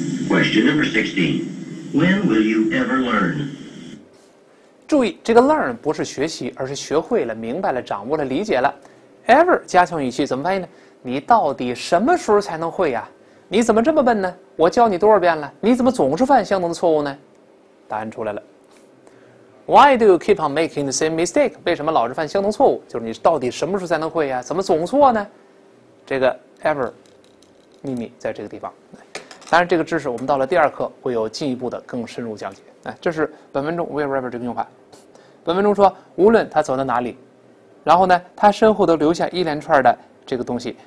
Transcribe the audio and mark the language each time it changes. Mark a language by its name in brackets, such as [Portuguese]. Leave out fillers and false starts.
[English] Question number 16 When will you ever learn？ [Chinese] 注意，这个 learn 不是学习，而是学会了、明白了、掌握了、理解了。 ever 加强语气怎么翻译呢？你到底什么时候才能会呀？你怎么这么笨呢？我教你多少遍了，你怎么总是犯相同的错误呢？答案出来了。 [English] Why do you keep on making the same mistake？ [Chinese] 为什么老是犯相同错误？就是你到底什么时候才能会呀？怎么总错呢？这个 ever 秘密在这个地方。当然，这个知识我们到了第二课会有进一步的更深入讲解。哎，这是本文中 wherever 这个用法。本文中说，无论他走到哪里，然后呢，他身后都留下一连串的这个东西。